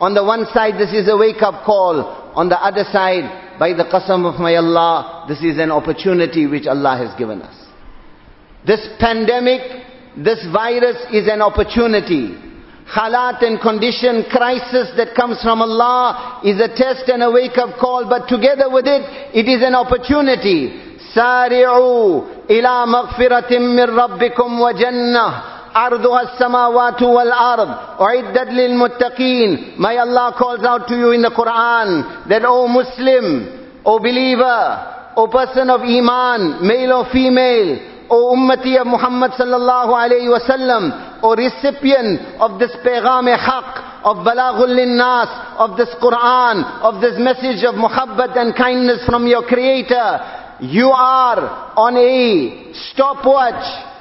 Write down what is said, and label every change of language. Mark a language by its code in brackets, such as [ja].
[en] On the one side, this is a wake-up call. On the other side, by the qasam of my Allah, this is an opportunity which Allah has given us. This pandemic, this virus is an opportunity. Halat and condition, crisis that comes from Allah is a test and a wake-up call. But together with it, it is an opportunity. [ar] سارعوا إلى مغفرة من ربكم وجنة أرضها السماوات والأرض أعدت للمتقين. [en] May Allah calls out to you in the Quran that, O Muslim, O believer, O person of Iman, male or female, O Ummati of Muhammad sallallahu alayhi wa sallam, O recipient of this Peygham-e Haq, of Balaghul Linnas, of this Quran, of this message of muhabbat and kindness from your Creator, you are on a stopwatch.